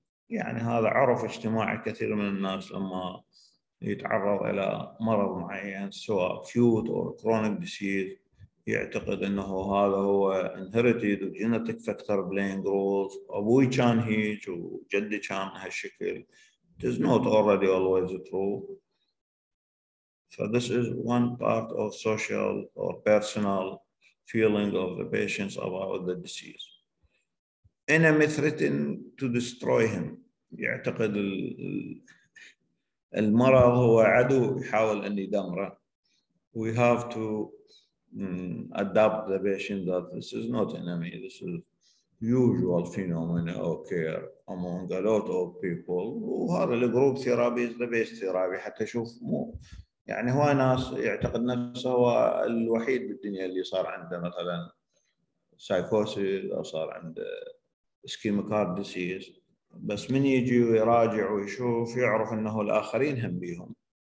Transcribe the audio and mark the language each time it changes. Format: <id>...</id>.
<ar>يعني هذا عرف اجتماعي كثير من الناس لما يتعرض إلى مرض معين سواء</ar> <en>acute or chronic disease</en> <ar>يعتقد أنه هذا هو</ar> <en>inherited or genetic factor playing roles.</en> <ar>أبوي كان هيك وجدي كان هالشكل.</ar> <en>It is not already always true. So this is one part of social or personal feeling of the patients about the disease. Enemy threatened to destroy him.</en> <ar>يعتقد المرض هو عدو يحاول أن يدمره.</ar> <en>We have to adapt the patient that this is not enemy. This is usual phenomenon of care among a lot of people.</en> <ar>وهذا الجروب ثيرابي</ar> <en>is the best therapy.</en> <ar>حتى شوف مو يعني هو ناس يعتقد نفسه هو الوحيد بالدنيا اللي صار عنده مثلا psychosis أو صار عنده</ar> <en>ischemic heart disease.</en> <ar>بس من يجي ويراجع ويشوف يعرف انه الاخرين هم بيهم.</ar>